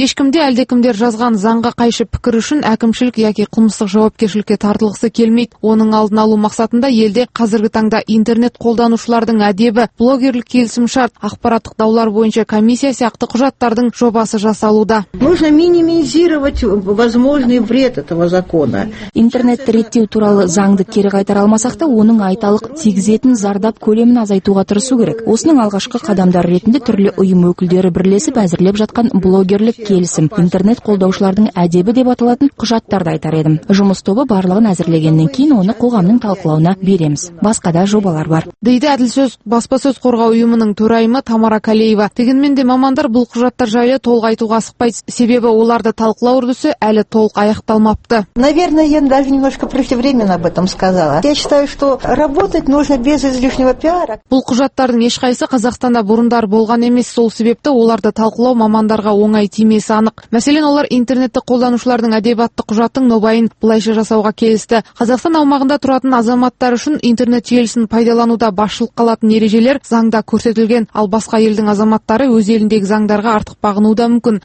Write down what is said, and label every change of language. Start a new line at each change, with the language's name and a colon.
Kazakh: Ешкімде әлдекімдер жазған заңға қайшы пікір үшін әкімшілік яке қылмыстық жауапкершілікке тартылғысы келмейді. Оның алдын алу мақсатында елде қазіргі таңда интернет қолданушылардың әдебі, блогерлік келісімшарт, ақпараттық даулар бойынша комиссия сияқты құжаттардың жобасы жасалуда.
Russian: Нужно минимизировать возможный вред этого закона.
Kazakh: Интернет реттеу туралы заңды кері қайтара алмасақ та, оның айта тигізетін зардап көлемін азайтуға тырысу керек. Осының алғашқы қадамдары ретінде түрлі ұйым өкілдері бірлесіп әзірлеп жатқан блогерлік келісім, интернет қолдаушылардың әдебі деп аталатын құжаттарды айтар едім. Жұмыс тобы барлығын әзірлегеннен кейін оны қоғамның талқылауына береміз. Басқа да жобалар бар. Дейді Әділсөз баспасөз қорғау ұйымының төрайымы Тамара Калеева. Дегенмен де мамандар бұл құжаттар жайлы толық айтуға асықпайды, себебі оларды талқылау үрдісі әлі толық аяқталмапты.
Russian: Наверное, я даже немножко преждевременно об этом сказала. Я считаю, что работать нужно без излишнего пиара.
Kazakh: Бұл құжаттардың ешқайсы Қазақстанда бұрындар болған емес, сол себепті оларды талқылау мамандарға оңай тимесі анық. Мәселен, олар интернетті қолданушылардың әдебиетті құжаттың нобайын былайша жасауға келісті. Қазақстан аумағында тұратын азаматтар үшін интернет желісін пайдалануда басшылық қалатын ережелер заңда көрсетілген, ал басқа елдің азаматтары өз еліндегі заңдарға артық бағынуы да мүмкін.